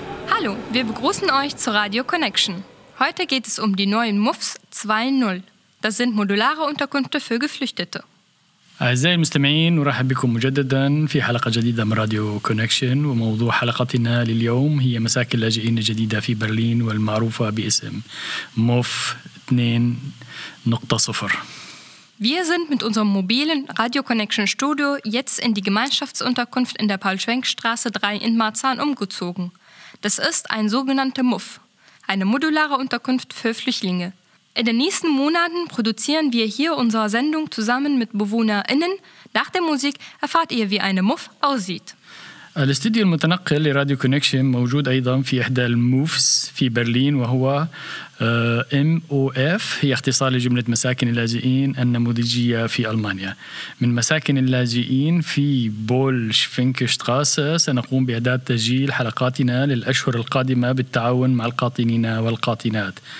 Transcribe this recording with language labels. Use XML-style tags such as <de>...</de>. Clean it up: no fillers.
<de>Hallo, wir begrüßen euch zu Radio Connection. Heute geht es um die neuen MUFs 2.0. Das sind modulare Unterkünfte für Geflüchtete.</de> <ar>أعزائي المستمعين أرحب بكم مجددا في حلقة جديدة من راديو كونكشن وموضوع حلقتنا لليوم هي مساكن اللاجئين الجديدة في برلين والمعروفة باسم موف 2.0.</ar> <de>Wir sind mit unserem mobilen Radio Connection Studio jetzt in die Gemeinschaftsunterkunft in der Paul-Schwenk-Straße 3 in Marzahn umgezogen. Das ist ein sogenannter MUF, eine modulare Unterkunft für Flüchtlinge. In den nächsten Monaten produzieren wir hier unsere Sendung zusammen mit BewohnerInnen. Nach der Musik erfahrt ihr, wie eine MUF aussieht.</de> <ar>الاستديو المتنقل لراديو كونكشن موجود أيضا في إحدى الموفس في برلين وهو MOF هي اختصار لجملة مساكن اللاجئين النموذجية في ألمانيا. من مساكن اللاجئين في بول شفينكشتراس سنقوم بإعداد تسجيل حلقاتنا للأشهر القادمة بالتعاون مع القاطنين والقاطنات.</ar>